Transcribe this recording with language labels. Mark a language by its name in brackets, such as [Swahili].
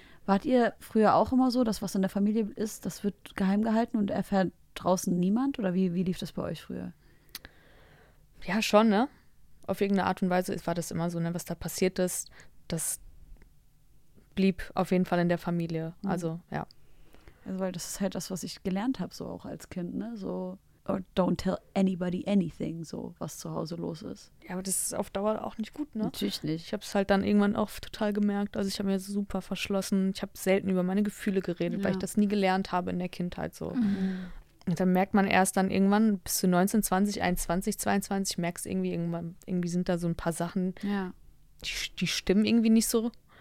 [German] Wart ihr früher auch immer so, dass was in der Familie ist, das wird geheim gehalten und erfährt draußen niemand? Oder wie lief das bei euch früher? Ja, schon, ne? Auf irgendeine Art und Weise war das immer so, ne? Was da passiert ist, das blieb auf jeden Fall in der Familie. Also, ja. Also weil das ist halt das, was ich gelernt habe, so auch als Kind, ne? [English] So, or don't tell anybody anything, so, [German] was zu Hause los ist. Ja, aber das ist auf Dauer auch nicht gut, ne? Natürlich nicht. Ich habe es halt dann irgendwann auch total gemerkt. Also ich habe mir super verschlossen. Ich habe selten über meine Gefühle geredet, weil ich das nie gelernt habe in der Kindheit, so. Und dann merkt man erst dann irgendwann, bis zu 19, 20, 21, 22, merkst irgendwie irgendwann, irgendwie sind da so ein paar Sachen, die stimmen irgendwie nicht so.